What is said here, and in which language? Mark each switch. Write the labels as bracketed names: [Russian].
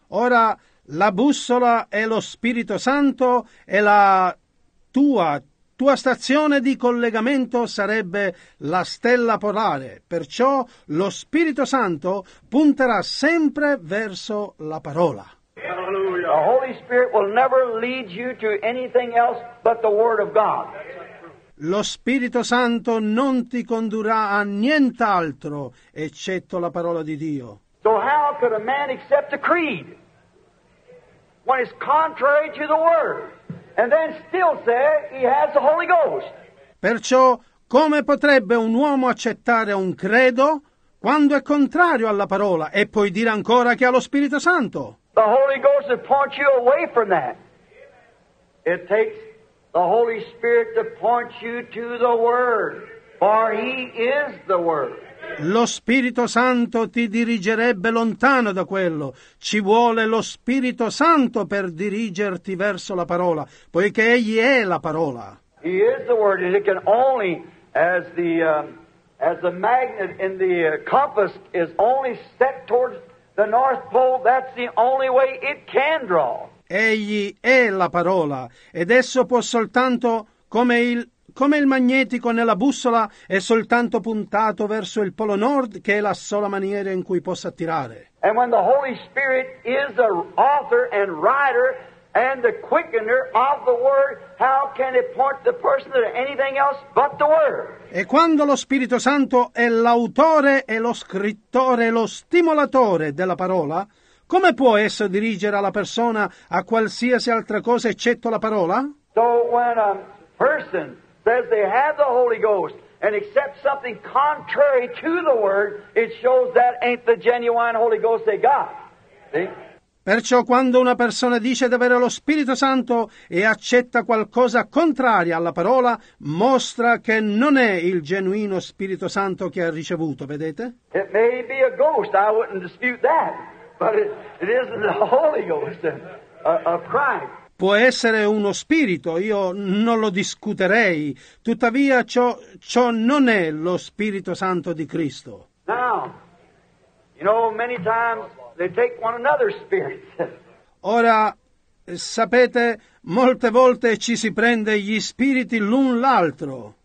[Italian] Ora, la bussola è lo Spirito Santo e la tua stazione di collegamento sarebbe la stella polare. Perciò lo Spirito Santo punterà sempre verso la parola. [English] The Holy Spirit will never lead you to anything else but the Word of God. [Italian] Lo Spirito Santo non ti condurrà a nient'altro eccetto la parola di Dio. [English] So how could a man accept a creed when it's contrary to the Word, and then still say he has the Holy Ghost? [Italian] Perciò, come potrebbe un uomo accettare un credo quando è contrario alla parola e poi dire ancora che ha lo Spirito Santo? [English] The Holy Ghost will point you away from that. It takes the Holy Spirit to point you to the Word, for He is the Word. [Italian] Lo Spirito Santo ti dirigerebbe lontano da quello. Ci vuole lo Spirito Santo per dirigerti verso la parola, poiché Egli è la parola. [English] He is the Word, and He can only, as the magnet in the compass is only set towards the North Pole, that's the only way it can draw. [Italian] Egli è la parola, ed esso può soltanto come il magnetico nella bussola è soltanto puntato verso il polo nord, che è la sola maniera in cui possa attirare. [English] And when the Holy Spirit is the author and writer and the quickener of the Word, how can it point the person to anything else but the Word? [Italian] E quando lo Spirito Santo è l'autore e lo scrittore e lo stimolatore della parola, come può esso dirigere alla persona a qualsiasi altra cosa eccetto la parola? [English] So when a person says they have the Holy Ghost and accept something contrary to the Word, it shows that ain't the genuine Holy Ghost they got. See? [Italian] Perciò quando una persona dice di avere lo Spirito Santo e accetta qualcosa contraria alla parola, mostra che non è il genuino Spirito Santo che ha ricevuto, vedete? [English] It may be a ghost, I wouldn't dispute that, but it isn't the Holy Ghost of Christ. [Italian] Può essere uno spirito, io non lo discuterei, tuttavia ciò non è lo Spirito Santo di Cristo. [English] Now, you know, many times they take one another's spirits. [Italian] Ora, sapete, molte volte ci si prende gli spiriti l'un l'altro.